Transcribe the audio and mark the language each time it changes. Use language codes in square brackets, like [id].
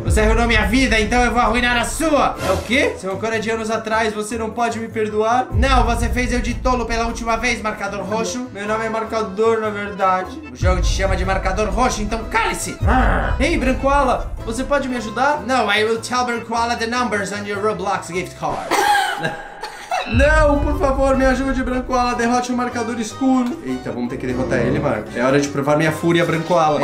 [pt] Você arruinou minha vida, então eu vou arruinar a sua! É o quê? Se eu acordei de anos atrás, você não pode me perdoar? Não, você fez eu de tolo pela última vez, marcador roxo. Meu nome é marcador, na verdade. O jogo te chama de marcador roxo, então cale-se! Ei, Brancoala, você pode me ajudar? [en] Não, I will tell Brancoala the numbers on your Roblox gift card. [pt] Não, por favor, me ajude, Brancoala, derrote o marcador escuro. Eita, vamos ter que derrotar ele, Marco. É hora de provar minha fúria, Brancoala.